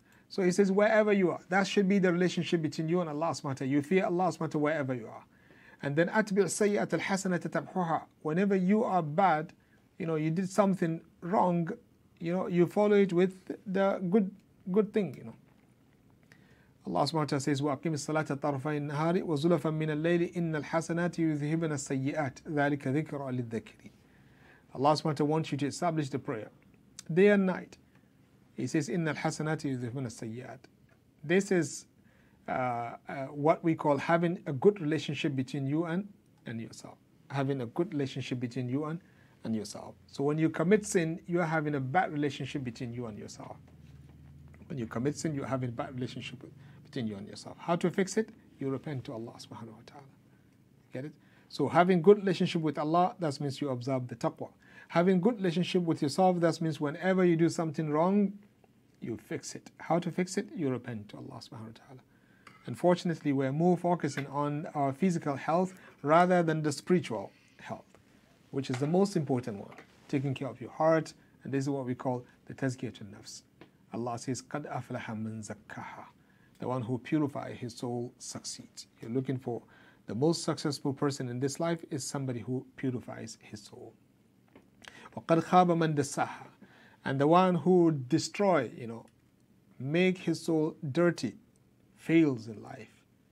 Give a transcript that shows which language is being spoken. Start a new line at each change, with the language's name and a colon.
English: So he says, wherever you are, that should be the relationship between you and Allah subhanahu wa ta'ala. You fear Allah subhanahu wa ta'ala wherever you are. And then,
Arabic: atbi' sayyat al-hasanata tamhuha.
English: Whenever you are bad, you know, you did something wrong, you know, you follow it with the good thing, you know. Allah subhanahu wa ta'ala says,
Arabic: وَأَقِمِ الصَّلَاةَ طَرْفَيِ النَّهَارِ وَزُلَفًا مِّنَ اللَّيْلِ إِنَّ الْحَسَنَاتِ يُذْهِبْنَ السَّيِّئَاتِ ذَلِكَ ذِكْرًا لِلذَّكِرِينَ.
English: Allah subhanahu wa ta'ala wants you to establish the prayer day and night. He says,
Arabic: إِنَّ الْحَسَنَاتِ يُذْهِبْنَ السَّيِّئَاتِ.
English: This is what we call having a good relationship between you and yourself. Having a good relationship between you and yourself. So when you commit sin, you are having a bad relationship between you and yourself. When you commit sin, you have a bad relationship between you and yourself. How to fix it? You repent to Allah subhanahu wa ta'ala. Get it? So having good relationship with Allah, that means you observe the taqwa. Having good relationship with yourself, that means whenever you do something wrong, you fix it. How to fix it? You repent to Allah subhanahu wa ta'ala. Unfortunately, we're more focusing on our physical health rather than the spiritual health, which is the most important one. Taking care of your heart, and this is what we call the tazkiyatun nafs. Allah says,
Arabic: قَدْ أَفْلَحَ مَنْ زَكَّهَا.
English: The one who purifies his soul succeeds. You're looking for the most successful person in this life is somebody who purifies his soul.
Arabic: وَقَدْ خَابَ مَنْ دَسَّهَا.
English: And the one who destroy, you know, make his soul dirty, fails in life.